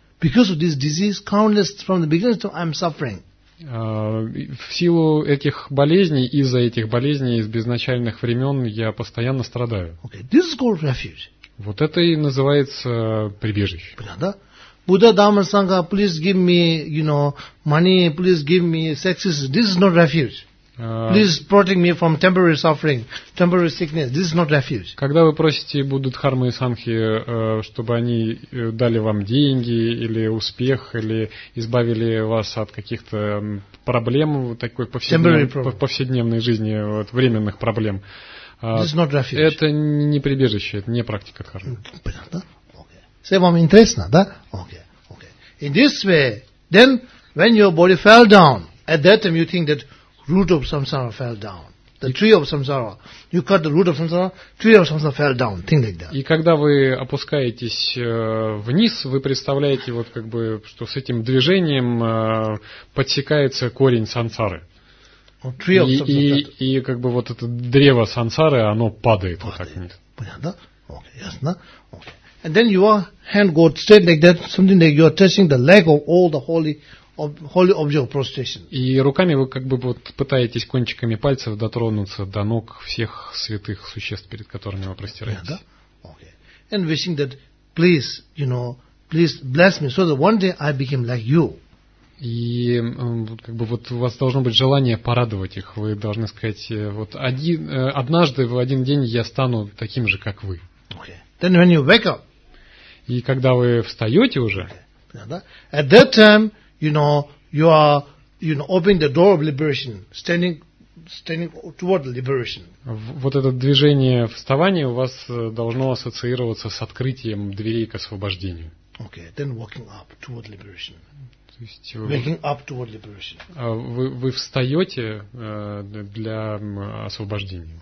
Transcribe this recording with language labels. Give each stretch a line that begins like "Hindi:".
English: Because of this disease, countless from the beginning to I'm suffering.
Russian: В силу этих болезней, из-за этих болезней, из безначальных времен, я постоянно страдаю.
English: Okay. This is called refuge.
Russian: Вот это и называется прибежище. Понятно?
English: Buddha, Dharma, Sangha, please give me, you know, money, please give me sex. This is not refuge. Please protect me from temporary suffering, temporary sickness. This is not refuge.
Russian: Когда вы просите Будду, Дхарму и Сангхи, чтобы они дали вам деньги или успех, или избавили вас от каких-то проблем, такой повседневной жизни, вот, временных проблем,
English: this is not refuge.
Russian: Это не прибежище, это не практика дхармы. Понятно? Окей. Вам интересно, да? Окей. Окей.
English: In this way, then, when your body fell down, at that time you think that root of samsara fell down. The tree of samsara. You cut the root of samsara, tree of samsara fell down. Think like that.
Russian: И когда вы опускаетесь вниз, вы представляете, вот как бы, что с этим движением подсекается корень сансары.
English: Tree of samsara.
Russian: И как бы вот это древо сансары, оно падает вот так вниз. Понятно? Okay, ясно? Okay.
English: And then your hand goes straight like that, something like you are touching the leg of all the holy... holy object of prostration.
Russian: И руками вы как бы вот пытаетесь кончиками пальцев дотронуться до ног всех святых существ, перед которыми вы простираетесь.
English: Yeah, да? Okay. And wishing that please, you know, please bless me, so that one day I became like you.
Russian: И как бы вот у вас должно быть желание порадовать их. Вы должны сказать, вот однажды в один день я стану таким же, как вы.
English: Okay. Then when you wake up.
Russian: И когда вы встаете уже.
English: Okay. Yeah, да? At that time. You know, you are, you know, opening the door of liberation, standing toward liberation.
Russian: Вот это движение вставания у вас должно ассоциироваться с открытием дверей к освобождению.
English: Okay, then walking up toward liberation.
Russian: То есть вы,
English: waking up toward liberation.
Russian: Вы встаете для освобождения.